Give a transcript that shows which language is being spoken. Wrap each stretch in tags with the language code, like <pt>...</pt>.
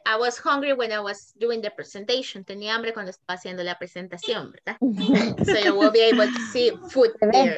<en>I was hungry when I was doing the presentation.</en> <es>Tenía hambre cuando estaba haciendo la presentación, ¿verdad?</es> <en>So you will be able to see food there.</en>